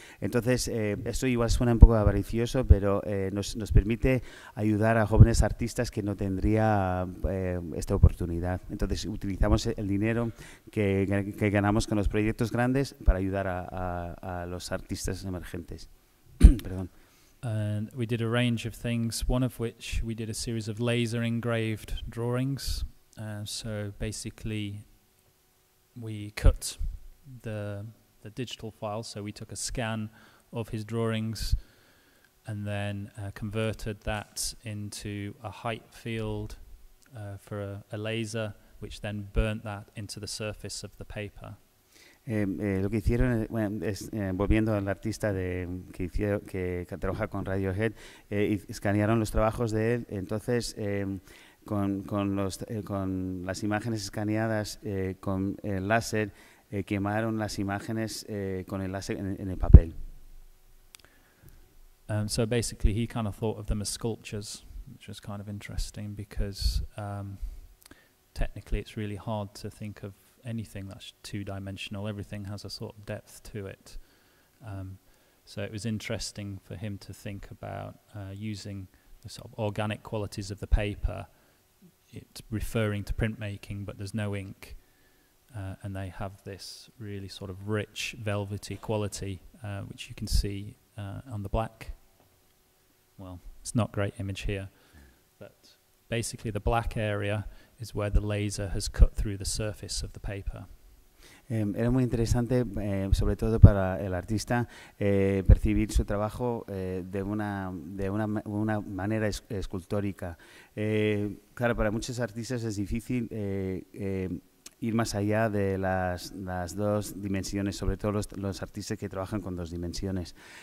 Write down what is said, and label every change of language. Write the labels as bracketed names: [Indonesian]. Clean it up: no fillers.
[Spanish] Entonces, esto igual suena un poco avaricioso, pero nos permite ayudar a jóvenes artistas que no tendría esta oportunidad. Entonces, utilizamos el dinero que ganamos con los proyectos grandes para ayudar a los artistas emergentes. Perdón. [English] And we did a range of things, one of which we did a series of laser engraved drawings. So basically we cut the digital file, so we took a scan of his drawings and then converted that into a height field for a laser, which then burnt that into the surface of the paper. [Spanish] Lo que hicieron volviendo al artista que trabaja con Radiohead, escanearon los trabajos de él. Entonces, con las imágenes escaneadas con el láser, quemaron las imágenes con el láser en el papel. [English] So basically, he kind of thought of them as sculptures, which was kind of interesting because technically it's really hard to think of anything that's two-dimensional. Everything has a sort of depth to it, so it was interesting for him to think about using the sort of organic qualities of the paper, it referring to printmaking, but there's no ink, and they have this really sort of rich velvety quality which you can see on the black. Well, it's not a great image here, but basically the black area is where the laser has cut through the surface of the paper. [Spanish] Era muy interesante, sobre todo para el artista, percibir su trabajo de una manera escultórica. Claro, para muchos artistas es difícil ir más allá de las dos dimensiones, sobre todo los artistas que trabajan con dos dimensiones.